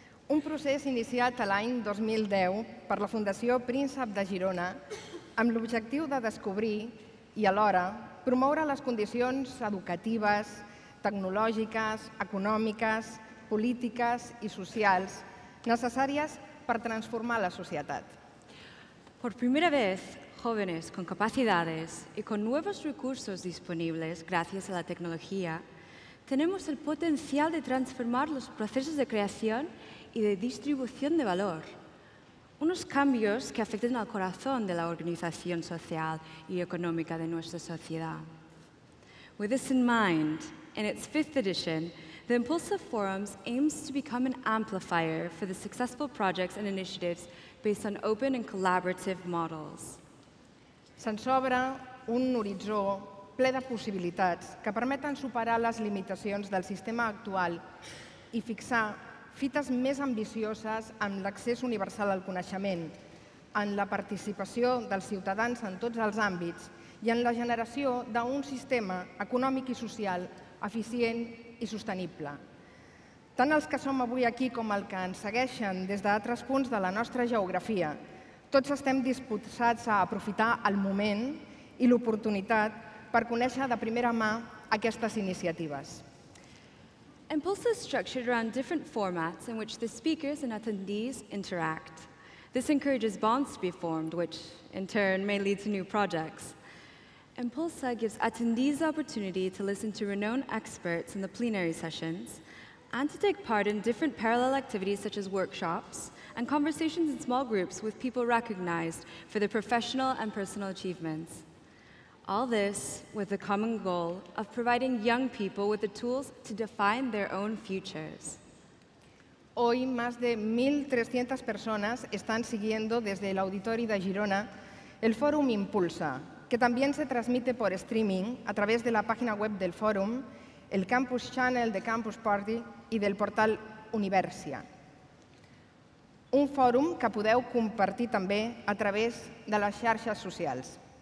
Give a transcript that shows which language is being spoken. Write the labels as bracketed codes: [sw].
[ca] Un procés iniciat a l'any 2010 per la Fundació Príncep de Girona amb l'objectiu de descobrir i alhora promoure les condicions educatives, tecnològiques, econòmiques, polítiques i socials necessàries per transformar la societat. [es] Por primera vez, jóvenes con capacidades y con nuevos recursos disponibles gracias a la tecnología, tenemos el potencial de transformar los procesos de creación y de distribución de valor. Unos cambios que afecten al corazón de la organización social y económica de nuestra sociedad. [en] With this in mind, in its fifth edition, the Impulsa Forums aims to become an amplifier for the successful projects and initiatives based on open and collaborative models. [ca] Se'ns obre un horitzó ple de possibilitats que permeten superar les limitacions del sistema actual i fixar fites més ambicioses amb l'accés universal al coneixement, en la participació dels ciutadans en tots els àmbits i en la generació d'un sistema econòmic i social eficient i sostenible. Tant els que som avui aquí com els que ens segueixen des d'altres punts de la nostra geografia, tots estem disposats a aprofitar el moment i l'oportunitat per conèixer de primera mà aquestes iniciatives. [en] Impulsa is structured around different formats in which the speakers and attendees interact. This encourages bonds to be formed, which in turn may lead to new projects. Impulsa gives attendees the opportunity to listen to renowned experts in the plenary sessions and to take part in different parallel activities such as workshops and conversations in small groups with people recognized for their professional and personal achievements. All this with the common goal of providing young people with the tools to define their own futures. [es] Hoy más de 1.300 personas están siguiendo desde el Auditori de Girona el Fòrum Impulsa, que también se transmite por streaming a través de la página web del Fòrum, el Campus Channel de Campus Party y del portal Universia. [ca] Un fòrum que podeu compartir també a través de les xarxes socials.